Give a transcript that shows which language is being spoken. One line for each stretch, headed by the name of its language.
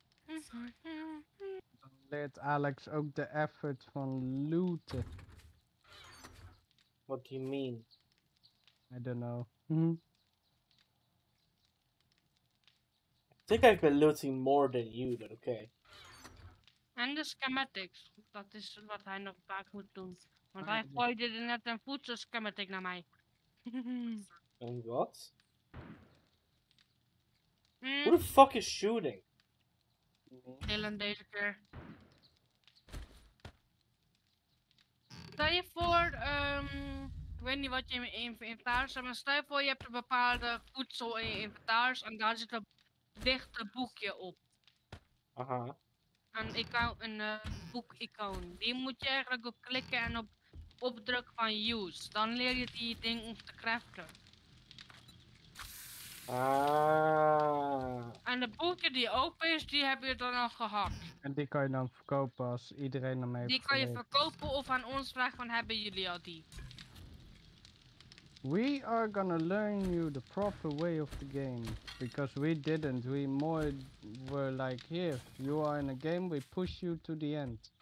Dutch: Dan leert Alex ook de effort van looten.
English: What do you mean? I don't know. I think I've been looting more than you, but okay.
Dutch: En de schematics, dat is wat hij nog vaak moet doen. Want hij gooide er net een voedsel schematic naar mij. En wat?
English: Who the fuck is shooting?
Dutch: Dylan deze keer. Stel je voor, ik weet niet wat je in je inventaris hebt, maar stel je voor je hebt een bepaalde voedsel in je inventaris en daar zit een dichte boekje op. Aha. En ik wou een boekicoon. Die moet je eigenlijk op klikken en op opdruk van use. Dan leer je die ding om te craften. Ah. En de boekje die open is, die heb je dan al gehakt. En die kan je dan verkopen als iedereen ermee heeft. Die kan je verkopen of aan ons vragen van hebben jullie al die?
English: We are gonna learn you the proper way of the game. Because we didn't. We more were like, here, you are in a game, we push you to the end.